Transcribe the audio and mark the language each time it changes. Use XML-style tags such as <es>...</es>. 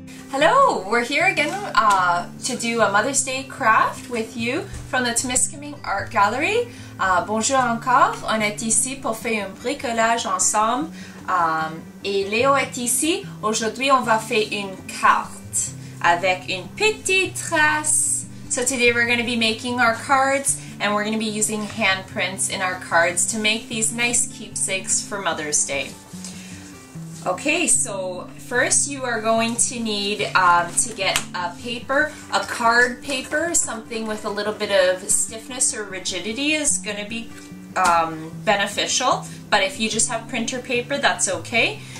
<en>Hello, we're here again to do a Mother's Day craft with you from the Temiscaming Art Gallery.</en> <fr>Bonjour encore, on est ici pour faire un bricolage ensemble. Et Léo est ici, aujourd'hui on va faire une carte avec une petite trace.</fr> <en>So today we're going to be making our cards and we're going to be using handprints in our cards to make these nice keepsakes for Mother's Day. Okay, so first you are going to need to get a paper, a card paper, something with a little bit of stiffness or rigidity is going to be beneficial, but if you just have printer paper, that's okay.</en>